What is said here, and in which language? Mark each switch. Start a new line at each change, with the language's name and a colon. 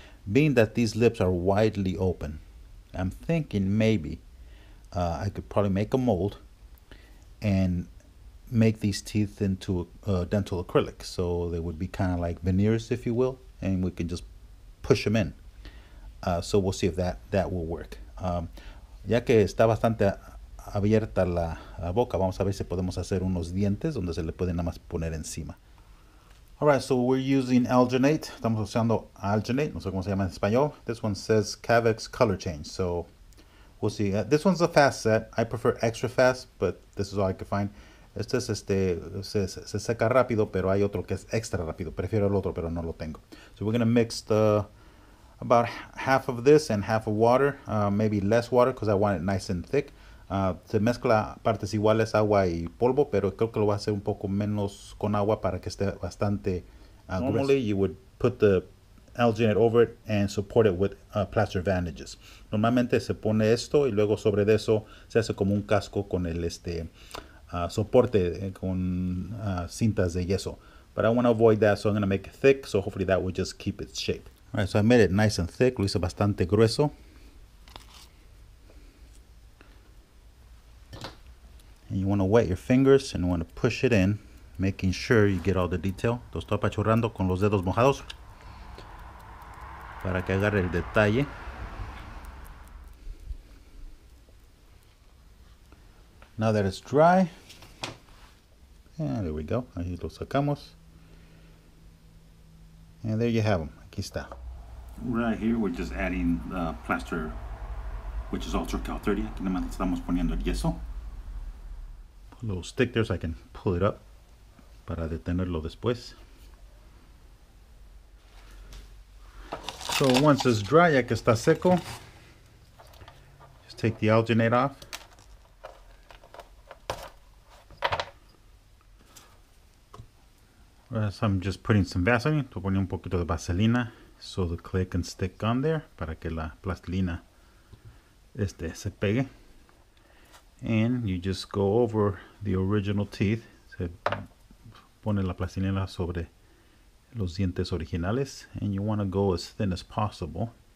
English: Being that these lips are widely open, I'm thinking maybe I could probably make a mold and make these teeth into dental acrylic. So they would be kind of like veneers, if you will, and we can just push them in. So we'll see if that will work.
Spanish: Ya que está bastante abierta la boca, vamos a ver si podemos hacer unos dientes donde se le pueden nada más poner encima.
English: All right, so we're using alginate.
Spanish: Estamos usando alginate. No sé cómo se llama en español.
English: This one says Cavex Color Change. So we'll see. This one's a fast set. I prefer extra fast, but this is all I could find.
Spanish: Este es se seca rápido, pero hay otro que es extra rápido. Prefiero el otro, pero no lo tengo.
English: So we're gonna mix the about half of this and half of water, maybe less water because I want it nice and thick.
Spanish: Se mezcla partes iguales, agua y polvo, pero creo que lo va a hacer un poco menos con agua para que esté bastante
English: Normally,
Spanish: grueso.
English: you would put the alginate over it and support it with plaster bandages.
Spanish: Normalmente se pone esto y luego sobre de eso se hace como un casco con el soporte con cintas de yeso.
English: But I want to avoid that, so I'm going to make it thick, so hopefully that will just keep its shape. All right, so I made it nice and thick,
Spanish: lo hice bastante grueso.
English: And you want to wet your fingers and you want to push it in, making sure you get all the detail.
Spanish: Lo estoy apachurrando con los dedos mojados para que agarre el detalle.
English: Now that it's dry, and there we go.
Spanish: Ahí lo sacamos.
English: And there you have them.
Spanish: Aquí está.
English: Right here, we're just adding the plaster, which is also cal 30.
Spanish: Aquí nada más estamos poniendo el yeso.
English: Little stick there so I can pull it up
Spanish: para detenerlo después.
English: So once it's dry,
Spanish: ya que está seco,
English: just take the alginate off. So I'm just putting some Vaseline.
Spanish: Estoy poniendo un poquito de vaselina
English: so the clay can stick on there
Spanish: para que la plastilina se pegue.
English: And you just go over the original teeth.
Spanish: Se pone la plastilina sobre los dientes originales.
English: And you want to go as thin as possible.